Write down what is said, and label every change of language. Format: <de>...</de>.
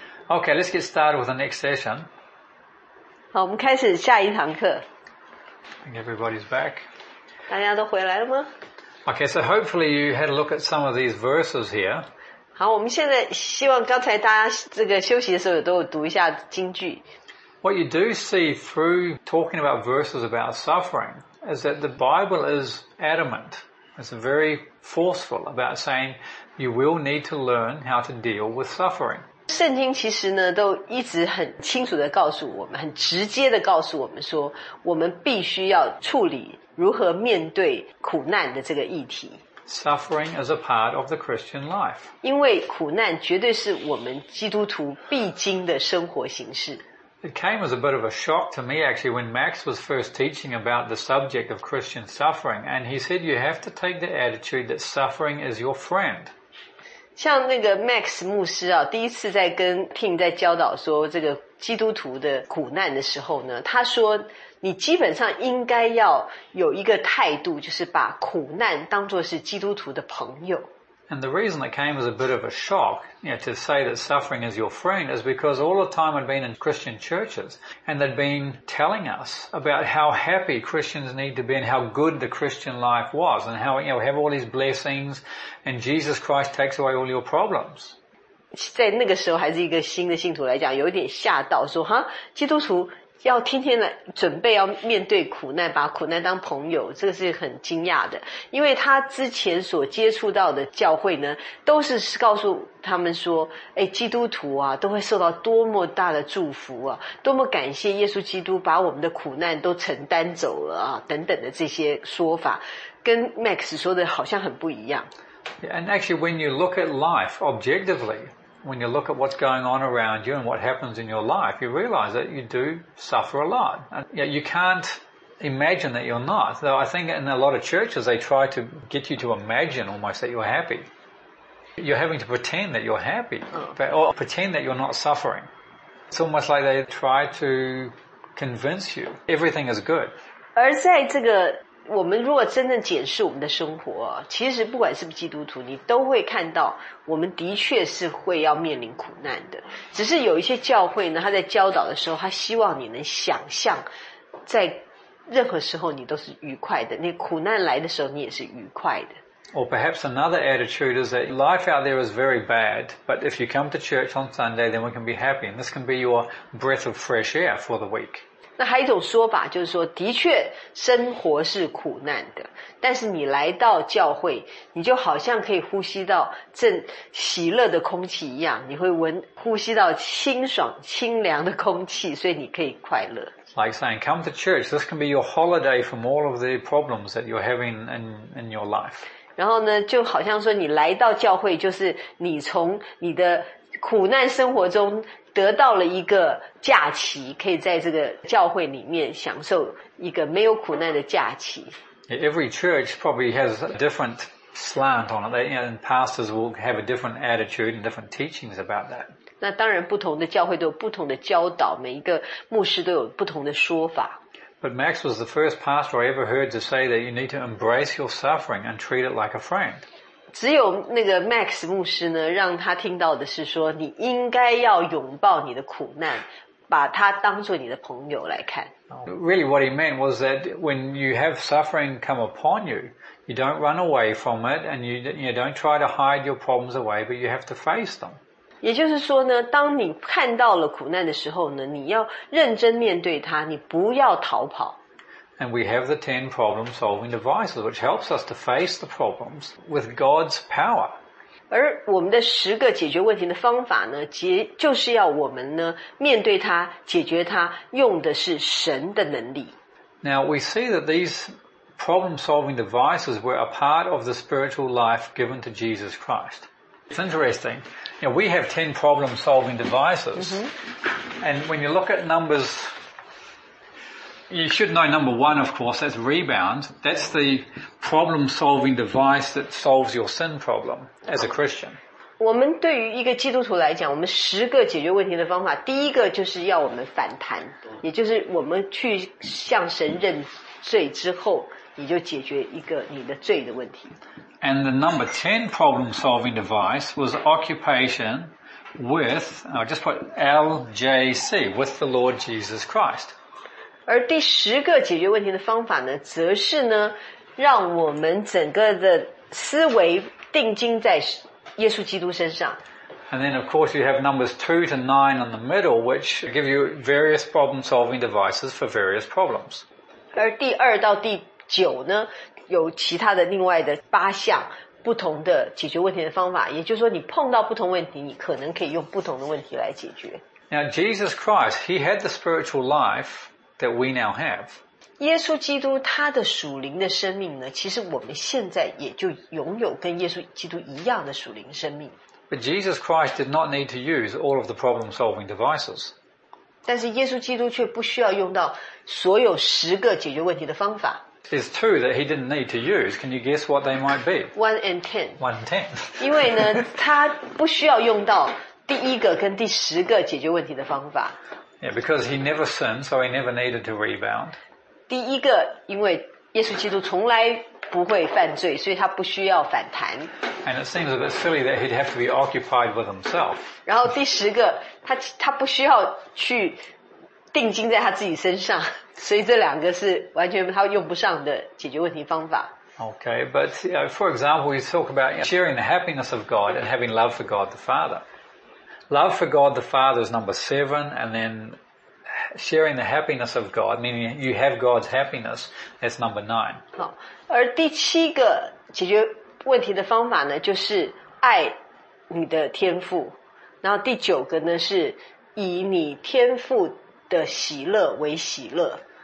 <en>Okay, let's get started with the next session.</en> <zh>好，我们开始下一堂课。</zh> <en>Think everybody's back.</en> <zh>大家都回来了吗？</zh> <en>Okay, so hopefully you had a look at some of these verses here.</en> <zh>好，我们现在希望刚才大家这个休息的时候都有读一下经句。</zh> <en>What you do see through talking about verses about suffering is that the Bible is adamant. It's very forceful about saying you will need to learn how to deal with suffering.</en> <zh>圣经其实呢都一直很清楚地告诉我们很直接地告诉我们说我们必须要处理如何面对苦难的这个议题</zh> <en>Suffering is a part of the Christian life</en> <zh>因为苦难绝对是我们基督徒必经的生活形式</zh> <en>It came as a bit of a shock to me actually when Max was first teaching about the subject of Christian suffering and he said you have to take the attitude that suffering is your friend</en> <zh>像那个 Max 牧师啊，第一次在跟 Tim 在教导说这个基督徒的苦难的时候呢，他说你基本上应该要有一个态度，就是把苦难当作是基督徒的朋友。</zh> <en>And the reason it came as a bit of a shock, you know, to say that suffering is your friend is because all the time I'd been in Christian churches and they'd been telling us about how happy Christians need to be and how good the Christian life was and how, you know, have all these blessings and Jesus Christ takes away all your problems.</en> <zh>在那个时候还是一个新的信徒来讲，有点吓到说，哈，基督徒要天天来准备要面对苦难把苦难当朋友这个是很惊讶的因为他之前所接触到的教会呢都是告诉他们说诶基督徒啊都会受到多么大的祝福啊多么感谢耶稣基督把我们的苦难都承担走了啊等等的这些说法跟 Max 说的好像很不一样</zh> <en>yeah, And actually when you look at life objectivelyWhen you look at what's going on around you and what happens in your life, you realize that you do suffer a lot. And you can't imagine that you're not. Though I think in a lot of churches, they try to get you to imagine almost that you're happy. You're having to pretend that you're happy, or pretend that you're not suffering. It's almost like they try to convince you everything is good.</en> <zh>而在这个我们如果真正检视我们的生活其实不管是不是基督徒你都会看到我们的确是会要面临苦难的只是有一些教会呢他在教导的时候他希望你能想象在任何时候你都是愉快的那苦难来的时候你也是愉快的</zh> <en>Or perhaps another attitude is that life out there is very bad but if you come to church on Sunday then we can be happy and this can be your breath of fresh air for the week</en> <zh>那还有一种说法就是说的确生活是苦难的但是你来到教会你就好像可以呼吸到正喜乐的空气一样你会闻呼吸到清爽清凉的空气所以你可以快乐</zh> <en>Like saying come to church this can be your holiday from all of the problems that you're having in your life</en> <zh>然后呢就好像说你来到教会就是你从你的苦难生活中得到了一个假期可以在这个教会里面享受一个没有苦难的假期</zh> <en>Every church probably has a different slant on it and pastors will have a different attitude and different teachings about that</en> <zh>那当然不同的教会都有不同的教导每一个牧师都有不同的说法</zh> <en>But Max was the first pastor I ever heard to say that you need to embrace your suffering and treat it like a friend</en> <zh>只有那个 Max 牧师呢让他听到的是说你应该要拥抱你的苦难把他当作你的朋友来看</zh> <en>Really what he meant was that when you have suffering come upon you you don't run away from it and you don't try to hide your problems away but you have to face them</en> <zh>也就是说呢当你看到了苦难的时候呢你要认真面对它你不要逃跑</zh> <en>And we have the 10 problem solving devices, which helps us to face the problems with God's power.</en> <zh>而我们的十个解决问题的方法呢，就是要我们呢，面对它，解决它，用的是神的能力。</zh> <en>Now we see that these problem solving devices were a part of the spiritual life given to Jesus Christ. It's interesting. You know, we have 10 problem solving devices,、mm-hmm. and when you look at numbers,You should know number one, of course, that's rebound. That's the problem-solving device that solves your sin problem as a Christian.</en> <zh>我们对于一个基督徒来讲，我们十个解决问题的方法，第一个就是要我们反弹，也就是我们去向神认罪之后，你就解决一个你的罪的问题。</zh> <en>And the number 10 problem-solving device was occupation, with, I'll just put LJC, with the Lord Jesus Christ.</en> <zh>而第十个解决问题的方法呢，则是呢，让我们整个的思维定睛在耶稣基督身上。</zh> <en>And then of course you have numbers 2 to 9 in the middle, which give you various problem solving devices for various problems.</en> <zh>而第二到第九呢，有其他的另外的八项不同的解决问题的方法，也就是说你碰到不同问题，你可能可以用不同的问题来解决。</zh> <en>Now Jesus Christ, he had the spiritual life that we now have.</en> <zh>耶稣基督他的属灵的生命呢，其实我们现在也就拥有跟耶稣基督一样的属灵生命。</zh> <en>But Jesus Christ did not need to use all of the problem-solving devices.</en> <zh>但是耶稣基督却不需要用到所有十个解决问题的方法。</zh> <en>It's true that he didn't need to use. Can you guess what they might be? One and ten.</en> <zh>因为呢，他不需要用到第一个跟第十个解决问题的方法。</zh> <en>Yeah, because he never sinned, so he never needed to rebound.</en> <zh>第一个，因为耶稣基督从来不会犯罪，所以他不需要反弹。</zh> <en>And it seems a bit silly that he'd have to be occupied with himself.</en> <zh>然后第十个，他不需要去定睛在他自己身上，所以这两个是完全他用不上的解决问题方法。</zh> <en>Okay, but you know, for example, we talk about sharing the happiness of God and having love for God the Father. Love for God the Father is number 7, and then sharing the happiness of God, meaning you have God's happiness, that's number 9.</en> <zh>好，而第七个解决问题的方法呢，就是爱你的天父。然后第九个呢，是以你天父的喜乐为喜乐。</zh>